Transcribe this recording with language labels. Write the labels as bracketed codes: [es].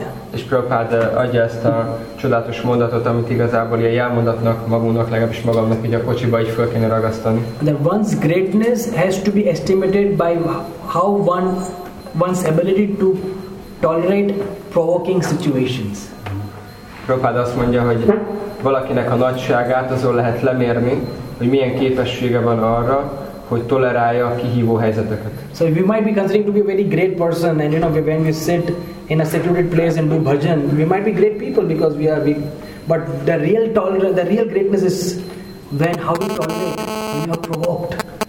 [hu] és Prabhupada adja ezt a csodálatos mondatot, amit igazából ilyen jelmondatnak magunknak, legalábbis magamnak így a kocsiba így föl kéne ragasztani. [en] That one's greatness has to be estimated by how one's ability to tolerate provoking situations. [hu] Prabhupada azt mondja, hogy valakinek a nagyságát azon lehet lemérni, hogy milyen képessége van arra, hogy tolerálja a kihívó helyzeteket. [en] So we might be considering to be a very great person, and you know, when we sit in a secluded place and do bhajan, we might be great people because we are big. But the real tolerance, the real greatness is when how we tolerate when we are provoked.